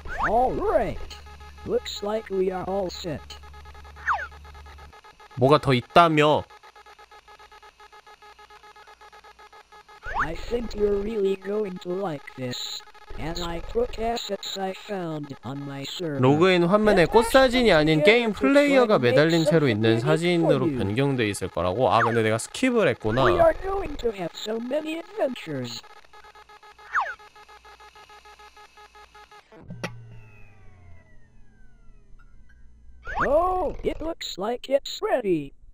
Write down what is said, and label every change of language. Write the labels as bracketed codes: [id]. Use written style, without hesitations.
[en] Alright. Looks like we are all set. [ko] 뭐가 더 있다며? [en] I think you're really going to like this. As I took assets I found on my server. [ko] 로그인 화면에 꽃 사진이 아닌 게임 플레이어가 매달린 채로 있는 사진으로 변경돼 있을 거라고. 아, 근데 내가 스킵을 했구나. [en] We are going to have so many adventures. 오, it looks like it's ready.